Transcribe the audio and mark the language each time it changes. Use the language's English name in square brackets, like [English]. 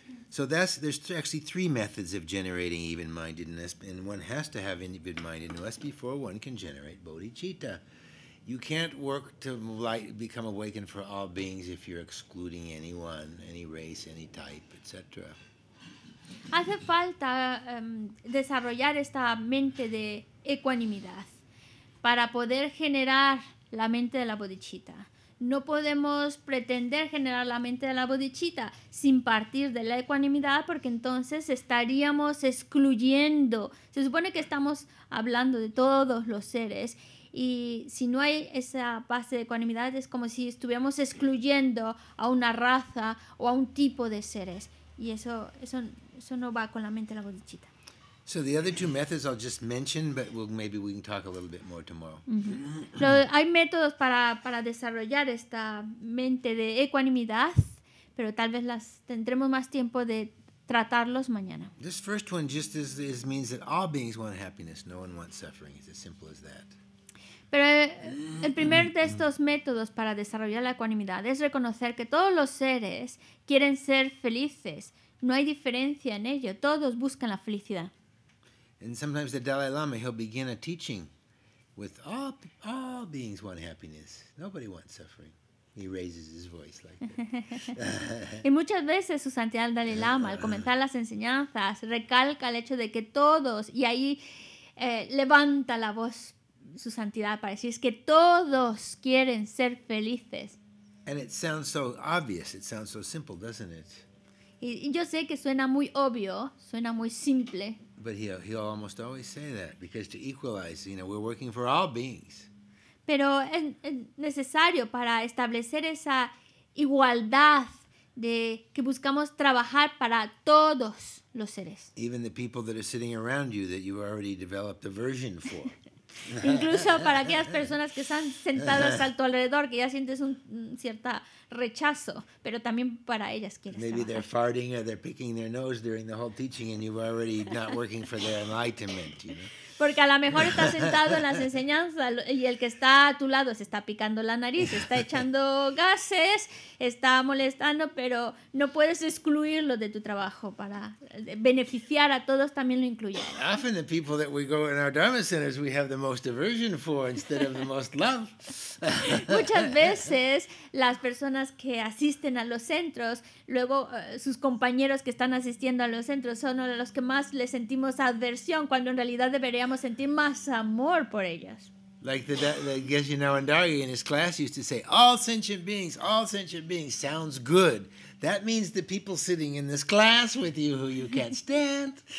[English] So there's actually three methods of generating even-mindedness, and one has to have even-mindedness before one can generate bodhicitta. You can't work to light, become awakened for all beings if you're excluding anyone, any race, any type, etc. [Spanish] Hace falta desarrollar esta mente de ecuanimidad para poder generar la mente de la bodhicitta. No podemos pretender generar la mente de la bodhicitta sin partir de la ecuanimidad, porque entonces estaríamos excluyendo. Se supone que estamos hablando de todos los seres. Y si no hay esa base de ecuanimidad, es como si estuviéramos excluyendo a una raza o a un tipo de seres. Y eso no va con la mente de la bodhicitta. [English] So the other two methods I'll just mention, but maybe we can talk a little bit more tomorrow. Mm-hmm. [Spanish] Hay métodos para desarrollar esta mente de ecuanimidad, pero tal vez las tendremos más tiempo de tratarlos mañana. [English] This first one just is means that all beings want happiness. No one wants suffering. It's as simple as that. [Spanish] Pero el primer de estos métodos para desarrollar la ecuanimidad es reconocer que todos los seres quieren ser felices. No hay diferencia en ello. Todos buscan la felicidad. [English] And sometimes the Dalai Lama, he'll begin a teaching with all beings want happiness. Nobody wants suffering. He raises his voice like that. [Spanish] Y muchas veces su santidad Dalai Lama, al comenzar las enseñanzas, recalca el hecho de que todos, y ahí levanta la voz su santidad para decir, es que todos quieren ser felices. [English] And it sounds so obvious, it sounds so simple, doesn't it? [Spanish] Y yo sé que suena muy obvio, suena muy simple. [English] But he'll almost always say that, because to equalize, you know, we're working for all beings. [Spanish] Pero es necesario para establecer esa igualdad de que buscamos trabajar para todos los seres. [English] Even the people that are sitting around you that you've already developed aversion for. [Spanish] Incluso para aquellas personas que están sentadas a tu alrededor, que ya sientes un cierto rechazo, pero también para ellas quieres trabajar. [English] Maybe they're farting or they're picking their nose during the whole teaching and you're already not working for their enlightenment, you know? [Spanish] Porque a lo mejor está sentado en las enseñanzas y el que está a tu lado se está picando la nariz, está echando gases, está molestando, pero no puedes excluirlo de tu trabajo para beneficiar a todos, también lo incluye. [English] Often the people that we go in our Dharma centers we have the most aversion for instead of the most love. [Spanish] Muchas veces las personas que asisten a los centros, luego sus compañeros que están asistiendo a los centros son los que más les sentimos aversión, cuando en realidad deberíamos sentir más amor por ellas. [English] Like the Geshe Nawandari in his class used to say, all sentient beings, sounds good. That means the people sitting in this class with you who you can't stand.